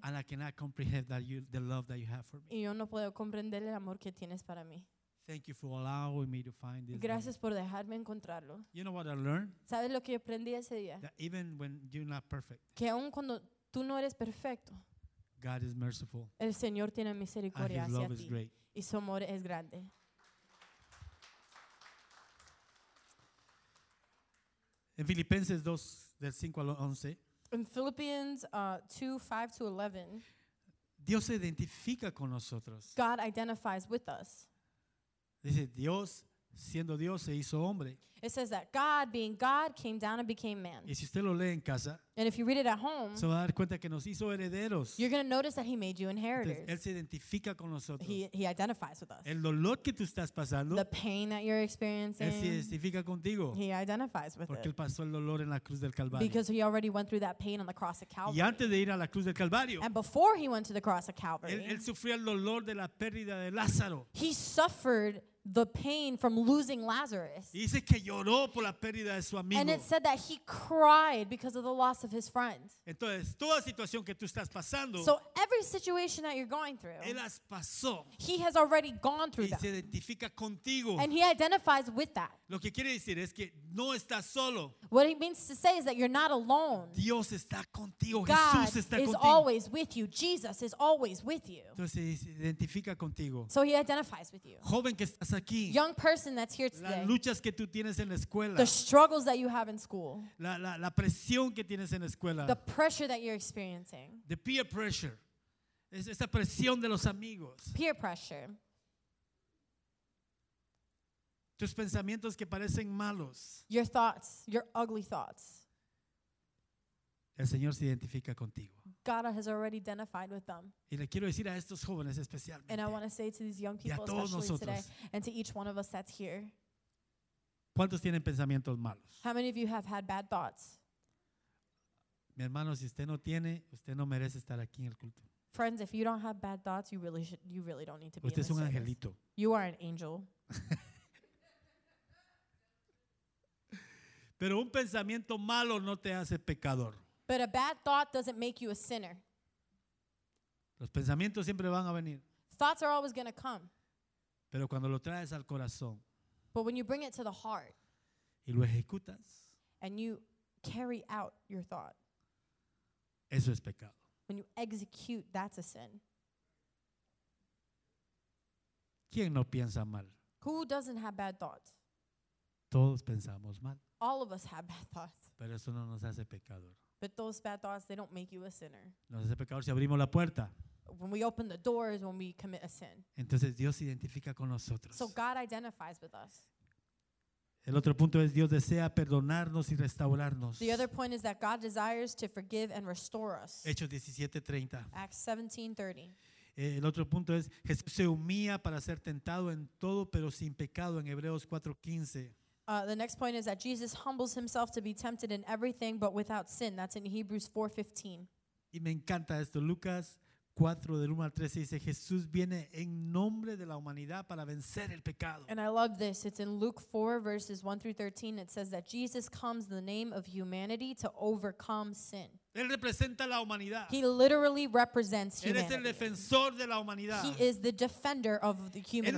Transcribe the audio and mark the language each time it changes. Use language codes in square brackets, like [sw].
[en] And I cannot comprehend that you, the love that you have for me. [es] Y yo no puedo comprender el amor que tienes para mí. [en] Thank you for allowing me to find this. [es] Gracias [en] money. [es] Por dejarme encontrarlo. [en] You know what I learned? [es] ¿Sabes lo que yo aprendí ese día? [en] That even when you're not perfect. [es] Que aun cuando tú no eres perfecto. [en] God is merciful. [es] El Señor tiene misericordia hacia ti. [en] And His love is great. [es] Y su amor es grande. En Filipenses 2 del 5 al 11. [en] In Philippians 2:5-11. [es] Dios se identifica con nosotros. [en] God identifies with us. [es] Dice Dios siendo Dios se hizo hombre. [en] It says that God being God came down and became man. [es] Y si usted lo lee en casa, [en] and if you read it at home, [es] se va a dar cuenta que nos hizo herederos. [en] You're going to notice that he made you inheritors. [es] Entonces, él se identifica con nosotros. [en] He identifies with us. [es] El dolor que tú estás pasando, [en] the pain that you're experiencing, [es] él se identifica contigo. [en] He identifies with [es] porque él pasó el dolor en la cruz del Calvario. [en] Because he already went through that pain on the cross of Calvary. [es] Y antes de ir a la cruz del Calvario, [en] and before he went to the cross of Calvary, [es] él sufrió el dolor de la pérdida de Lázaro. [en] He suffered the pain from losing Lazarus. [es] Dice que lloró por la pérdida de su amigo. [en] And it said that he cried because of the loss of his friend. [es] Entonces, toda situación que tú estás pasando, [en] so every situation that you're going through, [es] él las pasó, [en] he has already gone through [es] y [en] them. [es] Se identifica contigo. [en] And he identifies with that. [es] Lo que quiere decir es que no estás solo. [en] What he means to say is that you're not alone. [es] Dios está contigo. [en] God [es] Jesús está [en] is [es] contigo. [en] Always with you. Jesus is always with you. [es] Entonces, se identifica contigo. [en] So he identifies with you. [es] Joven que estás aquí. [en] Young person that's here today. [es] Las luchas que tú tienes en la escuela. [en] The struggles that you have in school. [es] La presión que tienes en la escuela. [en] The pressure that you're experiencing. The peer pressure. [es] Es esa presión de los amigos. [en] Peer pressure. [es] Tus pensamientos que parecen malos. [en] Your thoughts, your ugly thoughts. [es] El Señor se identifica contigo. [en] God has already identified with them. [es] Y le quiero decir a estos jóvenes especialmente. [en] And I want to say to these young people, especially [es] nosotros, [en] today, and to each one of us that's here. [es] ¿Cuántos tienen pensamientos malos? [en] How many of you have had bad thoughts? [es] Mi hermano, si usted no tiene, usted no merece estar aquí en el culto. [en] Friends, if you don't have bad thoughts, you really don't need to be here. [es] Usted es un angelito. [en] You are an angel. [es] Pero un pensamiento malo no te hace pecador. [en] But a bad thought doesn't make you a sinner. [es] Los pensamientos siempre van a venir. [en] Thoughts are always going to come. [es] Pero cuando lo traes al corazón. [en] But when you bring it to the heart. [es] Y lo ejecutas. [en] And you carry out your thought. [es] Eso es pecado. [en] When you execute, that's a sin. [es] ¿Quién no piensa mal? [en] Who doesn't have bad thoughts? [es] Todos pensamos mal. [en] All of us have bad thoughts. [es] Pero eso no nos hace pecador. [en] But those bad thoughts, they don't make you a sinner. [es] Nos hace pecador si abrimos la puerta. [en] When we open the doors, when we commit a sin. [es] Entonces Dios se identifica con nosotros. [en] So God identifies with us. [es] El otro punto es Dios desea perdonarnos y restaurarnos. [en] The other point is that God desires to forgive and restore us. [es] Hechos 17:30. [en] Acts 17:30. [es] El otro punto es Jesús se humilla para ser tentado en todo pero sin pecado en Hebreos 4:15. [en] The next point is that Jesus humbles himself to be tempted in everything but without sin. That's in Hebrews 4:15. [es] Y me encanta esto, Lucas 4 del 1 al 13 dice Jesús viene en nombre de la humanidad para vencer el pecado. [en] And I love this. It's in Luke 4 verses 1 through 13. It says that Jesus comes in the name of humanity to overcome sin. [es] Él representa la humanidad. [en] He literally represents humanity. [es] Él es el defensor de la humanidad. [en] He is the defender of the human race.